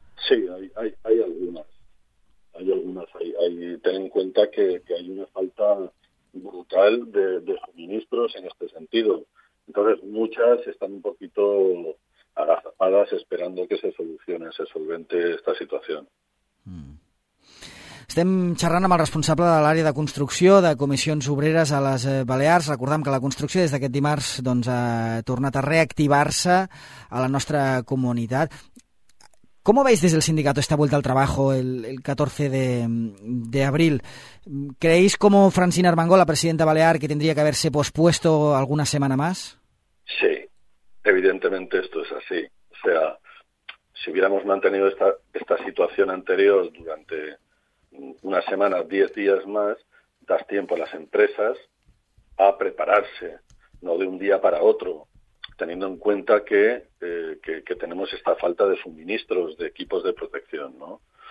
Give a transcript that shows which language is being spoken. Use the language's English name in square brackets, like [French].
[Spanish] Sí, hay algunas. Hay algunas. Ten en cuenta que hay una falta brutal de suministros en este sentido. Entonces, muchas están un poquito agazapadas esperando que se solucione, se solvente esta situación. [Catalan] Estem xerrant amb el responsable de l'àrea de construcció de Comissions Obreres a les Balears. Recordem que la construcció des d'aquest dimarts doncs, ha tornat a reactivar-se a la nostra comunitat. [Spanish] ¿Cómo veis desde el sindicato esta vuelta al trabajo el 14 de abril? ¿Creéis, como Francina Armengol, la presidenta Balear, que tendría que haberse pospuesto alguna semana más? Sí, evidentemente esto es así. O sea, si hubiéramos mantenido esta situación anterior durante una semana, 10 días más, das tiempo a las empresas a prepararse, no de un día para otro, teniendo en cuenta que tenemos esta falta de suministros, de equipos de protección, ¿no?